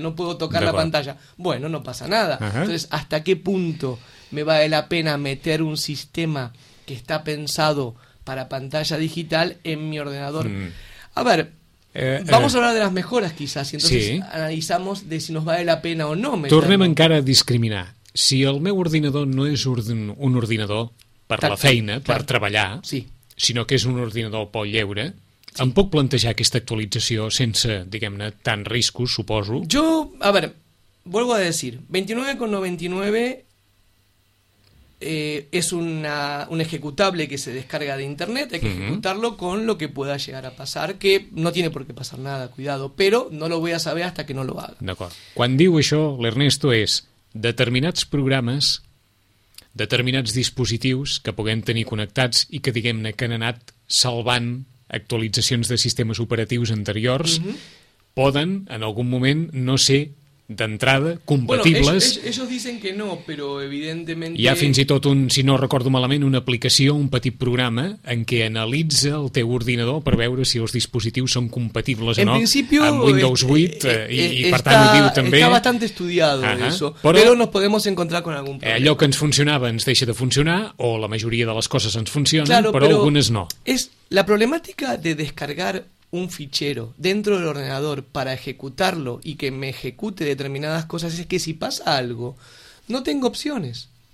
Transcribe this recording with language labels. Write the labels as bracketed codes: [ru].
[es] No puedo tocar la pantalla. Bueno, no pasa nada. Entonces, ¿hasta qué punto me vale la pena meter un sistema que está pensado para pantalla digital en mi ordenador? A ver, vamos a hablar de las mejoras quizás, y entonces analizamos de si nos vale la pena o no. [ca] Tornem encara a discriminar. Si el meu ordinador no és un ordinador per la feina, per treballar, sinó que és un ordinador pel lleure, em puc plantejar aquesta actualització sense, diguem-ne, tant riscos, suposo? Jo, a veure, [es] vuelvo a decir, 29,99 es un ejecutable que se descarga de internet, hay que ejecutarlo con lo que pueda llegar a pasar, que no tiene por qué pasar nada, cuidado, pero no lo voy a saber hasta que no lo haga. [ca] D'acord. Quan diu això, l'Ernesto és... determinats programes, determinats dispositius que puguem tenir connectats i que, diguem-ne, que han anat salvant actualitzacions de sistemes operatius anteriors, poden, en algun moment, no ser, d'entrada, compatibles. [es] Bueno, ellos dicen que no, pero evidentemente... [ca] Hi ha fins i tot, si no recordo malament, una aplicació, un petit programa, en què analitza el teu ordinador per veure si els dispositius són compatibles [es] en [ca] o no [es] principio, [ca] amb Windows 8, per tant, ho diu també. [es] Está bastante estudiado eso, pero nos podemos encontrar con algún problema. [ca] Allò que ens funcionava ens deixa de funcionar, o la majoria de les coses ens funcionen, [es] claro, [ca] però algunes no. [es] Es la problemática de descargar un fichero dentro del ordenador para ejecutarlo y que me ejecute determinadas cosas, es que si pasa algo, no tengo opciones.